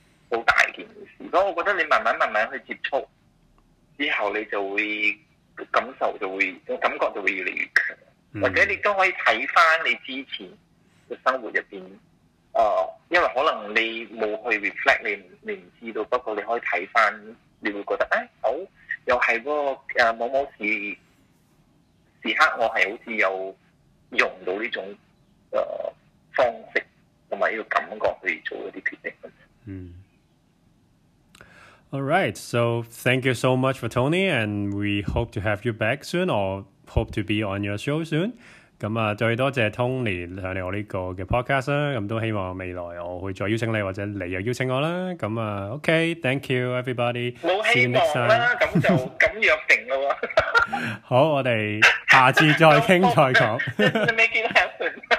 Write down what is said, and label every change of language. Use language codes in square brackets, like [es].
[yue] 好大件事，所以我覺得你慢慢去接觸之後，你就會感受就會感覺就會越嚟越強，或者你都可以睇翻你之前嘅生活入邊，因為可能你冇去 reflect， 你唔知道，不過你可以睇翻，你會覺得好又係喎，某某時刻，我係好似有用到呢種方式同埋呢個感覺去做一啲決定。嗯。 [en] All right, so thank you so much for Tony, and we hope to have you back soon, or hope to be on your show soon. [yue] 咁啊，最多謝 Tony 上嚟我呢個嘅 podcast 啦。咁都希望未來我會再邀請你，或者你又邀請我啦。 [en] 咁啊 ，OK, thank you everybody. [yue] 冇希望啦，咁就咁約定咯喎。好，我哋下次再傾再講。 [en] Make it happen.